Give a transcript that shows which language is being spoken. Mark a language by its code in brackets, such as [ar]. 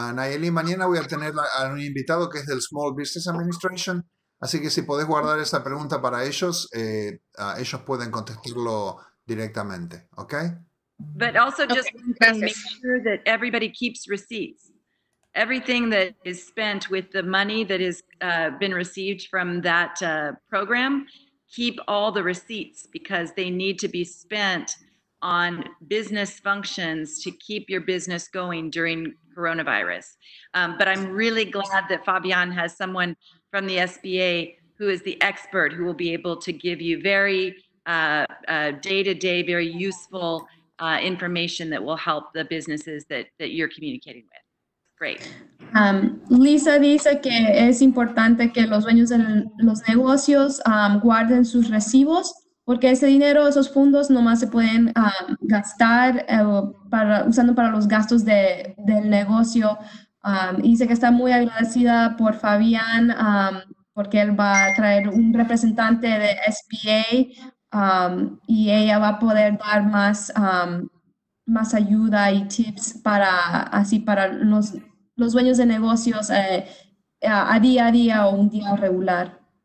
[es] Nayeli, mañana voy a tener a un invitado que es del Small Business Administration. Así que si podés guardar esa pregunta para ellos, ellos pueden contestarlo directamente. [en] Okay? But also just make sure that everybody keeps receipts. Everything that is spent with the money that has been received from that program, keep all the receipts because they need to be spent on business functions to keep your business going during coronavirus. But I'm really glad that Fabian has someone from the SBA who is the expert who will be able to give you very day-to-day, very useful information that will help the businesses that you're communicating with. [es] Lisa dice que es importante que los dueños de los negocios guarden sus recibos porque ese dinero, esos fondos, nomás se pueden gastar usando para los gastos del negocio. Dice que está muy agradecida por Fabián porque él va a traer un representante de SBA y ella va a poder dar más ayuda y tips para los dueños de negocios a día a día o un día regular.